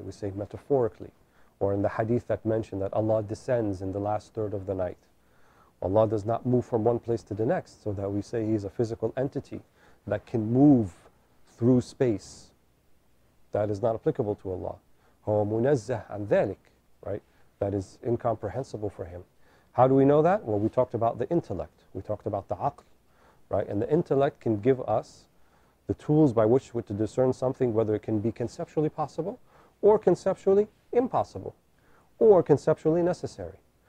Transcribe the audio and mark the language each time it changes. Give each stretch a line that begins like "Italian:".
English: We say metaphorically, or in the hadith that mentioned that Allah descends in the last third of the night. Allah does not move from one place to the next, so that we say he's a physical entity that can move through space. That is not applicable to Allah.
Arabic: هُوَ مُنَزَّهْ عَنْ ذَلِكَ,
English: right? That is incomprehensible for him. How do we know that? Well, we talked about the intellect. We talked about the aql, right? And the intellect can give us the tools by which we to discern something, whether it can be conceptually possible or conceptually impossible or conceptually necessary.